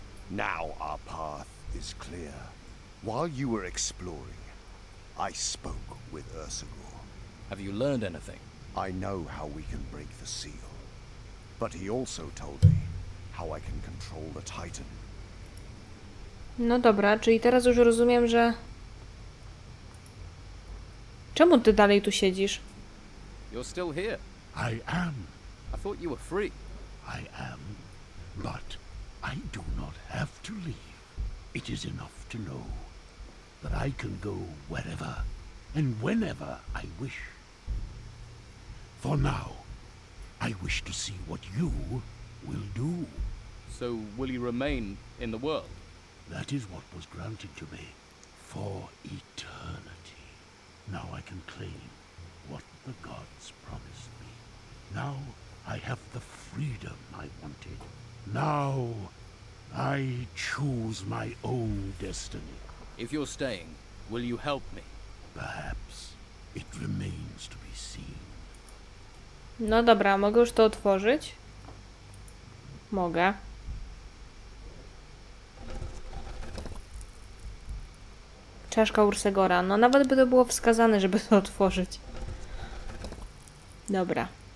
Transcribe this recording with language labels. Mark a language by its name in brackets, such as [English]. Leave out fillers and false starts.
[English] Now our path is clear. While you were exploring, I spoke with Ursagor. Have you learned anything? I know how we can break the seal. But he also told me how I can control the Titan. [Polish] No dobra, czyli teraz już rozumiem, że... Czemu ty dalej tu siedzisz? [English] You're still here. I am. I thought you were free. I am, but I do not have to leave. It is enough to know that I can go wherever and whenever I wish. For now, I wish to see what you will do. So will you remain in the world? That is what was granted to me for eternity. Now I can claim what the gods promised me. Now I have the freedom I wanted. Now I choose my own destiny. If you're staying, will you help me? Perhaps it remains to be seen. [Polish] No dobra, mogę już to otworzyć? Mogę. Czaszka Ursegora. No nawet by to było wskazane, żeby to otworzyć. Dobra.